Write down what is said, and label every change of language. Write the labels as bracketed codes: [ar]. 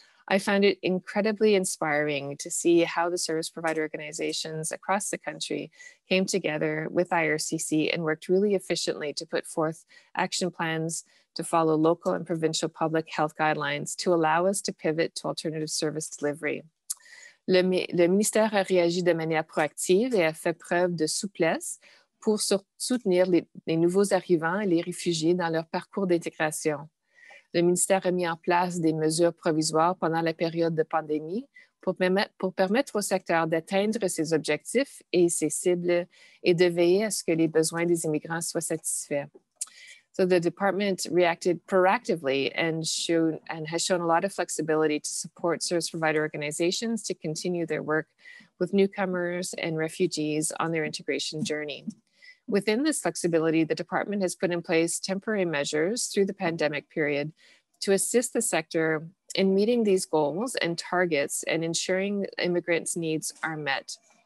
[en] I found it incredibly inspiring to see how the service provider organizations across the country came together with IRCC and worked really efficiently to put forth action plans to follow local and provincial public health guidelines to allow us to pivot to alternative service delivery. [fr] Le ministère a réagi de manière proactive et a fait preuve de souplesse pour soutenir les nouveaux arrivants et les réfugiés dans leur parcours d'intégration. Le ministère a mis en place des mesures provisoires pendant la période de pandémie pour permettre au secteur d'atteindre ses objectifs et ses cibles et de veiller à ce que les besoins des immigrants soient satisfaits. [en] So the department reacted proactively and has shown a lot of flexibility to support service provider organizations to continue their work with newcomers and refugees on their integration journey. Within this flexibility, the department has put in place temporary measures through the pandemic period to assist the sector in meeting these goals and targets and ensuring immigrants' needs are met.